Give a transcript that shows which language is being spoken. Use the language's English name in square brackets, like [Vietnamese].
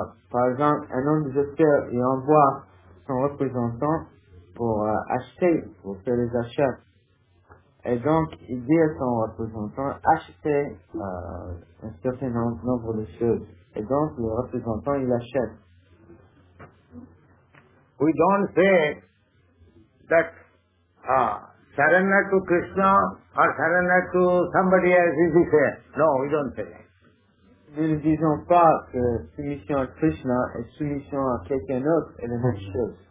[French] Par exemple, un homme de gestion, il envoie son représentant pour acheter, pour faire les achats. Et donc, il dit à son représentant, achetez un certain nombre de choses. Et donc, le représentant, il achète. [English] We don't say that surrender to Krishna or surrender to somebody else is fair. No, we don't say that. [French] Nous ne disons pas que soumission à Krishna et soumission à quelqu'un d'autre est la même chose.